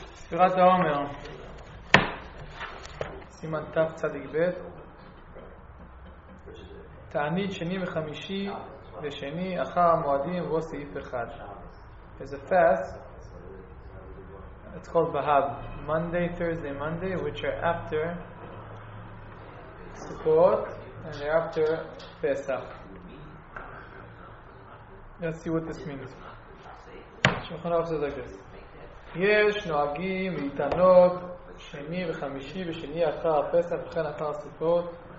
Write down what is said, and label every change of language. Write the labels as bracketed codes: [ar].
[he] ספירת העומר, סימן תף צדיק ב', תענית שני וחמישי ושני אחר המועדים ובו סעיף אחד. [en] As a fast, it's called בהב, Monday, Thursday, Monday, which are after Sukkot and after Pesach. Let's see what this means. שולחן ערוך says like this. [he] יש נוהגים להתענות שני וחמישי ושני אחר הפסח וכן אחר הסוכות.